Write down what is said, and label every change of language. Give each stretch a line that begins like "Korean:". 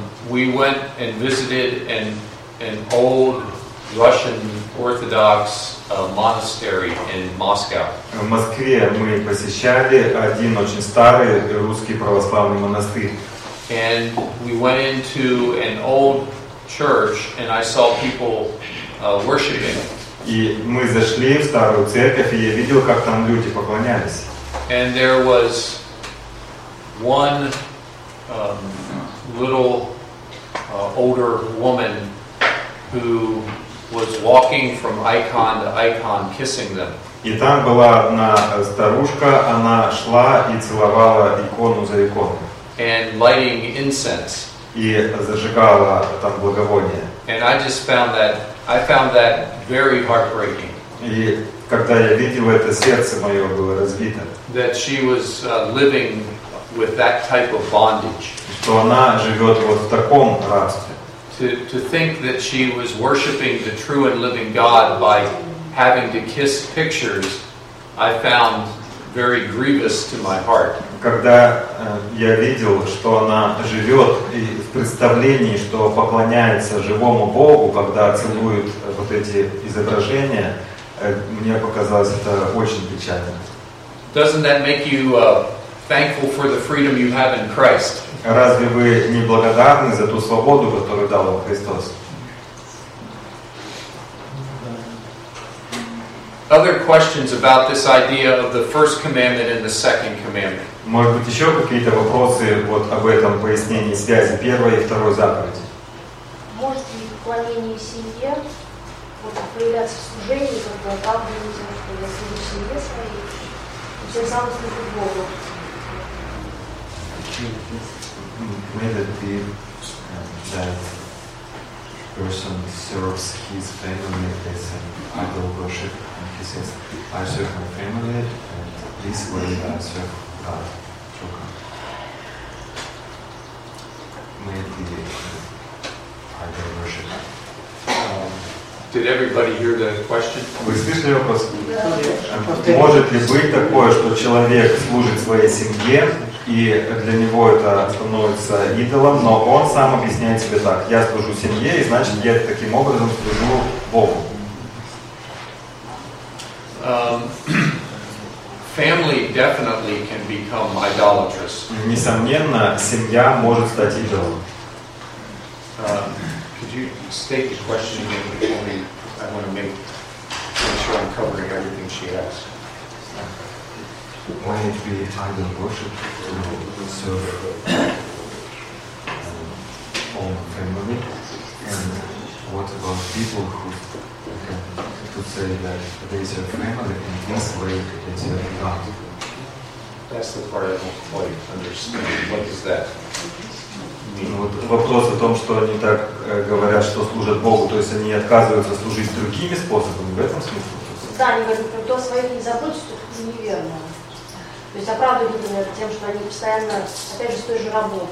English: We went and visited an old Russian Orthodox monastery in Moscow.
Russian: В Москве мы посещали один очень старый русский православный монастырь.
English: And we went into an old church and I saw people worshiping.
Russian: И мы зашли в старую церковь, и я видел, как там люди поклонялись.
English: And there was one little older woman who was walking from icon to icon kissing them.
Russian: И там была одна старушка, она шла и целовала икону за иконой.
English: And lighting incense.
Russian: И зажигала там благовония.
English: And I found that very heartbreaking.
Russian: И когда я видел это, сердце мое было разбито.
English: That she was living with that type of bondage.
Russian: Что она живет вот в таком рабстве.
English: To think that she was worshiping the true and living God by having to kiss pictures, I found very grievous to my heart.
Russian: Когда я видел, что она живет и в представлении, что поклоняется живому Богу, когда целует вот эти изображения, мне показалось это очень печально.
English: Doesn't that make you thankful for the freedom you have in Christ?
Russian: Разве вы не благодарны за ту свободу, которую дал вам Христос?
English: Other questions about this idea of the first commandment and the second commandment?
Russian: Может быть, еще какие-то вопросы вот об этом пояснении связи первой и второй заповеди? Может ли поклонение семье вот, проявляться в служении, когда там люди проявляются в семье своей, и тем самым служить Богу?
English: Person serves his family as an idol worship, and he says, "I serve my family, and this way I serve God." May it be idol worship. Did everybody hear the question?
Russian: Вы слышали вопрос? Может ли быть такое, что человек служит своей семье? И для него это становится идолом, но он сам объясняет себе так. Я служу семье, и значит, я таким образом служу Богу.
English: Family definitely can become idolatrous.
Russian: Несомненно, семья может стать идолом.
English: Could you state the question again for me? I want to make sure I'm covering everything she asked. Why it be idol worship to serve own family? And what about people who could say that they serve family in this way they serve God? That's the part I don't quite understand. What does that mean?
Russian: Вот вопрос о том, что они так говорят, что служат Богу, то есть они отказываются служить другими способами, в этом смысле? Да, они говорят, кто своих не заботится, то это неверно. То есть оправдывают это тем, что они постоянно, опять же, с той же работой.